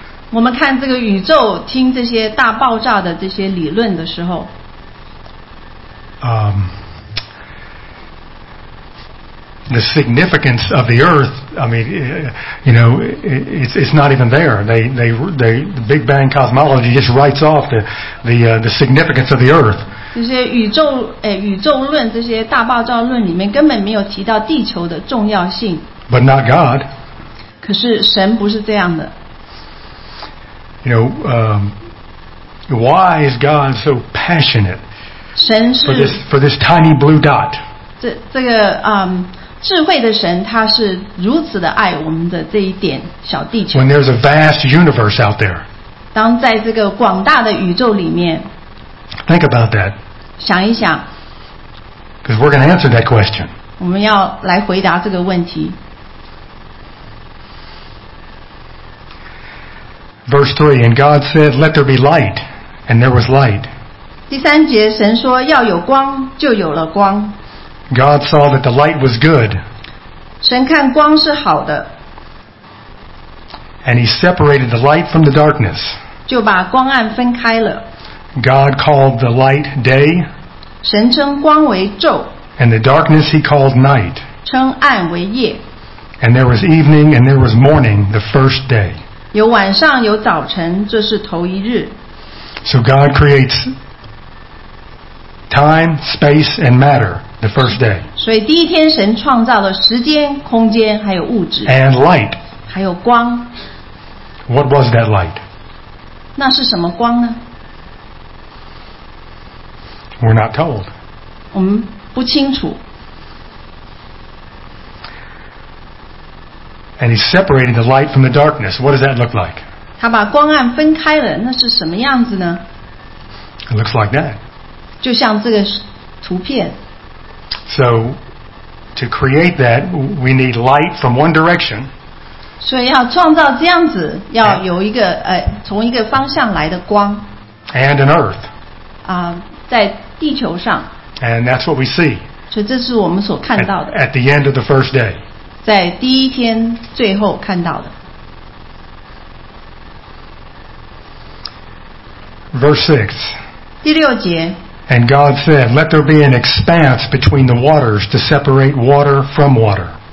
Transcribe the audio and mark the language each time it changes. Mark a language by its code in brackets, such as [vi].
[zh] 我们看这个宇宙，听这些大爆炸的这些理论的时候， [en] The significance of the Earth, I mean, you know, it's not even there. The Big Bang cosmology just writes off the significance of the Earth. [zh] 这些宇宙论这些大爆炸论里面根本没有提到地球的重要性。 [en] But not God. [zh] 可是神不是这样的。 [en] You know, why is God so passionate? [zh] 神是 [en] for this tiny blue dot. [zh] 这个智慧的神他是如此的爱我们的这一点小地球。 [en] When there's a vast universe out there. [zh] 当在这个广大的宇宙里面。 [en] Think about that. [zh] 想一想。 [en] Because we're going to answer that question. [zh] 我们要来回答这个问题。 [en] Verse 3, and God said, let there be light, and there was light. [zh] 第三节神说要有光就有了光。 [en] God saw that the light was good. [zh] 神看光是好的。 [en] And he separated the light from the darkness. [zh] 就把光暗分开了。 [en] God called the light day. [zh] 神称光为昼。 [en] And the darkness he called night. [zh] 称暗为夜。 [en] And there was evening and there was morning the first day. [zh] 有晚上有早晨这是头一日。 [en] So God creates time, space, and matter. The first day. [zh] 所以第一天神创造了时间、空间还有物质。 [en] And light. [zh] 还有光。 [en] What was that light? [zh] 那是什么光呢? [en] We're not told. [zh] 我们不清楚。 [en] And he separated the light from the darkness. What does that look like? [zh] 他把光暗分开了，那是什么样子呢? [en] It looks like that. [zh] 就像这个图片。 [en] So, to create that, we need light from one direction. [zh] 所以要创造这样子，要有一个从一个方向来的光。 [en] And an earth. [zh] 在地球上。 [en] And that's what we see. [zh] 所以这是我们所看到的。 [en] At the end of the first day. [zh] 在第一天最后看到的。 [en] Verse 6. [zh] 第六节。 [en] And God said, let there be an expanse between the waters to separate water from water.